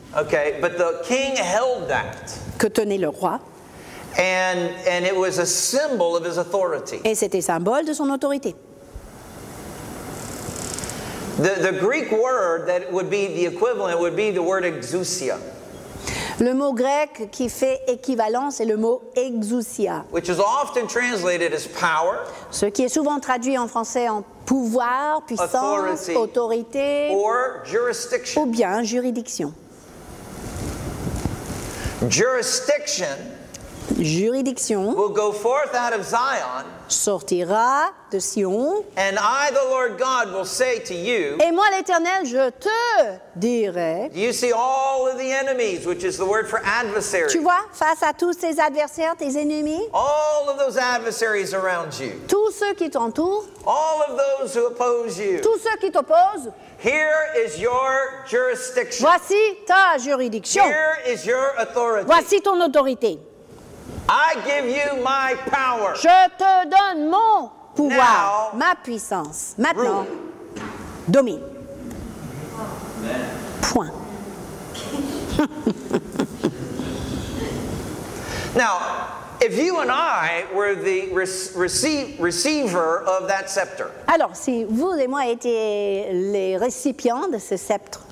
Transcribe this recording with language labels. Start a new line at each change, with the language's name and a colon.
English: Okay, but the king held that.
French: Que tenait le roi.
English: And it was a symbol of his authority.
French: Et c'était symbole de son autorité.
English: The Greek word that would be the equivalent would be the word exousia.
French: Le mot grec qui fait équivalent, c'est le mot exousia.
English: Which is often translated as power.
French: Ce qui est souvent traduit en français en pouvoir, puissance, autorité.
English: Or jurisdiction.
French: Ou bien juridiction.
English: Jurisdiction.
French: juridiction
English: will go forth out of Zion,
French: sortira de Sion,
English: and I, the Lord God, will say to you,
French: et moi, l'Éternel, je te dirai,
English: do you see all of the enemies, which is the word for adversary?
French: Tu vois, face à tous tes adversaires, tes ennemis,
English: all of those adversaries around you,
French: tous ceux qui t'entourent,
English: all of those who oppose you,
French: tous ceux qui t'opposent,
English: here is your jurisdiction,
French: voici ta juridiction,
English: here is your authority,
French: voici ton autorité.
English: I give you my power.
French: Je te donne mon pouvoir,
English: now,
French: ma puissance. Maintenant,
English: rule.
French: Domine. Amen. Point.
English: Now, if you and I were the receiver of that scepter,
French: alors si vous et moi étions les récipients de ce sceptre,